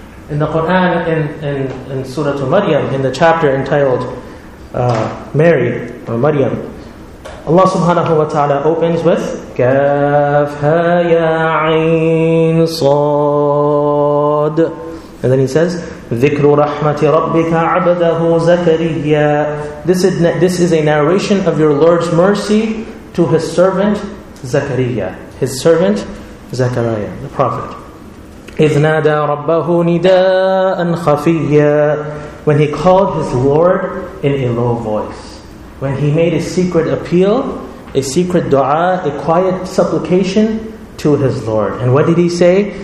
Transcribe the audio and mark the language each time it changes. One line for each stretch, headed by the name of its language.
English: In the Quran, in Surah Maryam, in the chapter entitled Mary or Maryam, Allah subhanahu wa ta'ala opens with
Arabic: كَافْ هَا يَا عَيْن صَاد.
English: And then He says,
Arabic: ذِكْرُ رَحْمَةِ رَبِّكَ عَبْدَهُ زَكَرِيَّا.
English: This is a narration of your Lord's mercy to His servant Zakariya. His servant Zakariya, the prophet.
Arabic: إِذْ نَادَى رَبَّهُ نِدَاءً خَفِيَّا.
English: When He called His Lord in a low voice. When He made a secret appeal, a secret dua, a quiet supplication to His Lord. And what did He say?